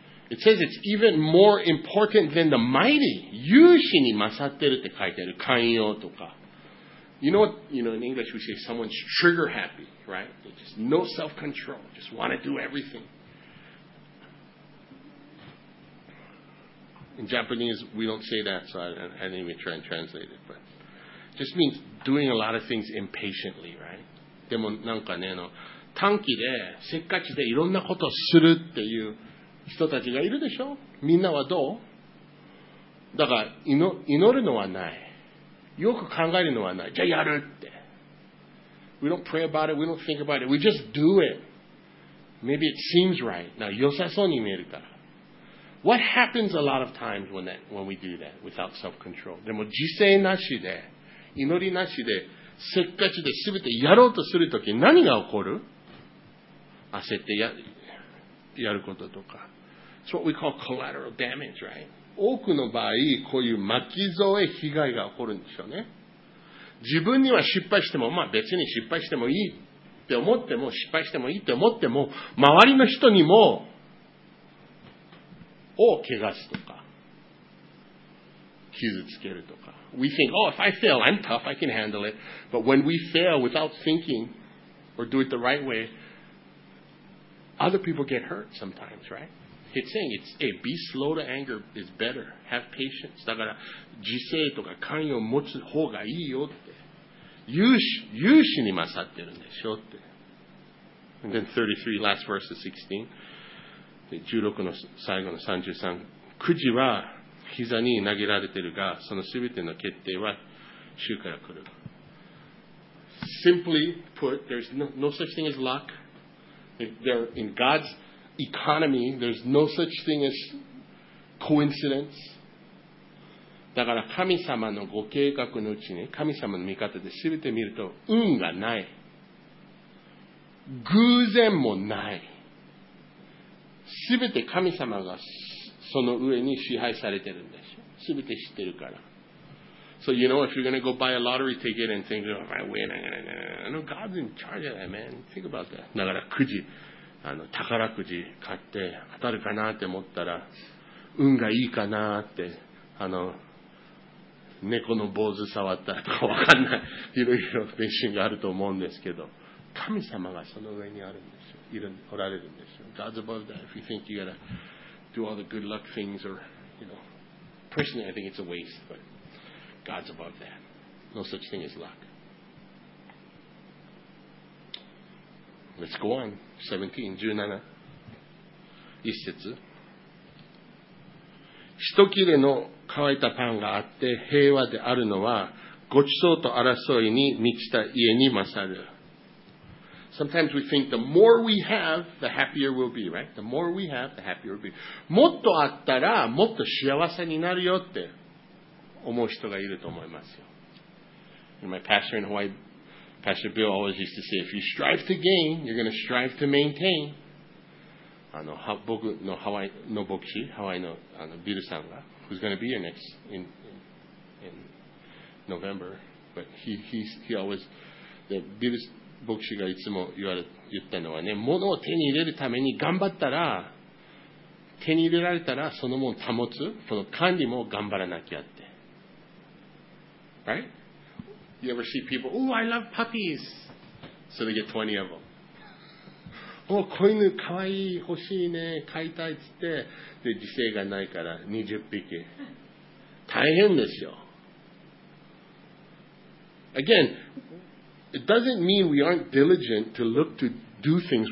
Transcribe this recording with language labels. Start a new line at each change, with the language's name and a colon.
English: It says it's even more important than the mighty.
Japanese: 勇士に勝ってるって書いてある。寛容とか、
English: you know what, you know, in English we say someone's trigger happy, right? They just no self-control, just want to do everything. In Japanese, we don't say that, so I didn't even try and translate it, but just means doing a lot of things impatiently, right?
Japanese: でもなんかね、短期でせっかちでいろんなことをするっていう人たちがいるでしょ？みんなはどう？だから祈るのはない。よく考えるのはない。じゃあやるって。
English: We don't pray about it. We don't think about it. We just do it. Maybe it seems right.
Japanese: なんか良さそうに見えるから。
English: What happens a lot of times when we do that without self-control?
Japanese: でも自制なしで、祈りなしで、せっかちで全てやろうとするとき何が起こる？焦ってやることとか。
English: It's what we call collateral damage, right?
Japanese: 多くの場合こういう巻き添え被害が起こるんでしょうね。自分には失敗しても、まあ別に失敗してもいいって思っても、失敗してもいいって思っても、周りの人にもを怪我すとか傷つけるとか。
English: We think, oh, if I fail, I'm tough, I can handle it. But when we fail without thinking or do it the right way, other people get hurt sometimes, right? It's saying, it's, hey, be slow to anger is better. Have patience.
Japanese: だから、自制とか寛容を持つ方がいいよって。勇士に勝ってるんでしょって。
English: And then 33, last verse of 16.
Japanese: 16の最後の33。くじは膝に投げられてるが、そのすべての決定は主から来る。
English: Simply put, there's no such thing as luck. They're in God'seconomy, there's no such thing as coincidence.
Japanese: だから神様のご計画のうちに、神様の見方で全て見ると運がない、偶然もない。全て神様がその上に支配されてるんでしょ。全て知ってるから。
English: So you know, if you're going to go buy a lottery ticket and think, oh, I win, I know God's in charge of that, man. Think about that.
Japanese: だからくじ、宝くじ買って当たるかなって思ったら、運がいいかなって、猫の坊主触ったらとか、わかんない、いろいろ迷信があると思うんですけど、神様がその上にあるんですよ。おられるんですよ。
English: God's above that. If you think you gotta do all the good luck things, or you know, personally I think it's a waste, but God's above that. No such thing as luck. Let's go on. 17:17. 一節。
Japanese: 一切れの乾いたパンがあって平和であるのは、ごちそうと争いに満ちた家に勝る。
English: Sometimes we think the more we have, the happier we'll be, right? The more we have, the happier we'll be.
Japanese: もっとあったらもっと幸せになるよって思う人がいると思いますよ。
English: In my pastor in Hawaii,Pastor Bill always used to say, if you strive to gain, you're going to strive to maintain.
Japanese: 僕のハワイの牧師、ハワイの、ビルさんが、
English: who's going to be here next in November, but he always, the
Japanese: ビル牧師がいつも言ったのはね、物を手に入れるために頑張ったら、手に入れられたらそのものを保つ、その管理も頑張らなきゃって。
English: Right? You ever see people, oh, I love puppies. So they get 20 of them.
Japanese: 子犬かわいい欲しいね飼いたいっつってで時勢がないから20匹大変ですよ。
English: Again, it doesn't mean we aren't diligent to look to do things.